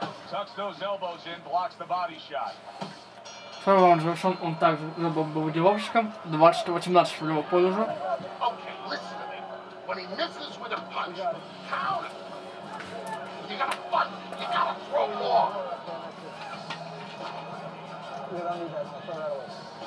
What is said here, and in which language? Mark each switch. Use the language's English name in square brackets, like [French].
[English] Tucks those elbows in, blocks the body shot. [Russian] Второй раунд завершен, он также был бомбардировщиком. 20-18 в его пользу. [English] Okay, listen to me. When he misses with a punch, count him. You gotta fight, you gotta throw long. You don't need that.